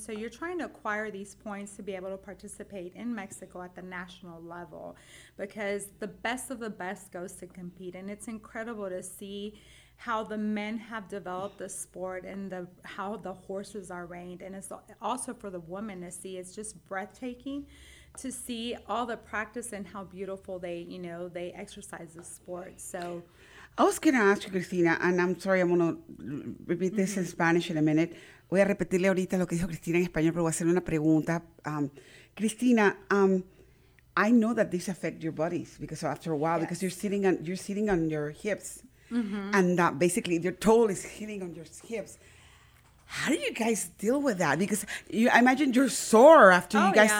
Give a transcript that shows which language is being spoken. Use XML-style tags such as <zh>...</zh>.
<en>So you're trying to acquire these points to be able to participate in Mexico at the national level, because the best of the best goes to compete, and it's incredible to see how the men have developed the sport and how the horses are reined. And it's also for the women to see. It's just breathtaking to see all the practice and how beautiful they exercise the sport. So I was going to ask you, Cristina, and I'm sorry, I'm going to repeat this mm-hmm. in Spanish in a minute.</en> <es>Voy a repetirle ahorita lo que dijo Cristina en español, pero voy a hacer una pregunta.</es> <en>Cristina, I know that this affects your bodies because after a while, yes. because you're sitting on your hips. Mm-hmm. And basically, your toe is hitting on your hips. How do you guys deal with that? Because I imagine you're sore after you guys.</en>